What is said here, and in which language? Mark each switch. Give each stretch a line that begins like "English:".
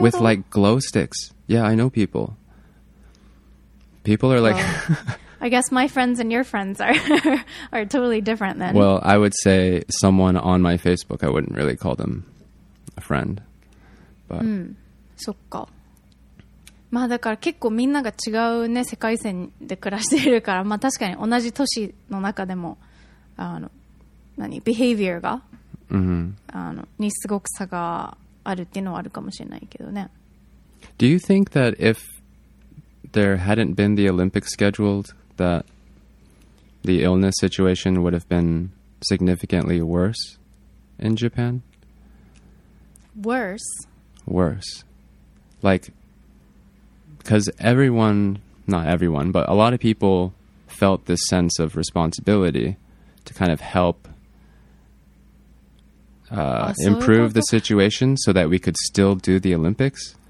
English: with like glow sticks. Yeah, I know people. People are like. I guess my friends and your friends are are totally different then. Well, I would say someone on my Facebook, I wouldn't really call them a friend. But
Japanese: そっか。まあだから結構みんなが違うね世界線で暮らしているから、まあ確かに同じ都市の中でも何ビヘイビアが、 mm-hmm. にすごく差があるっていうのはあるかもしれないけどね。
English: Do you think that if there hadn't been the Olympics scheduled, that the illness situation would have been significantly worse in Japan? Worse? Worse. Like, because everyone, not everyone, but a lot of people felt this sense of responsibility to kind of help improve the situation so that we could still do the Olympics.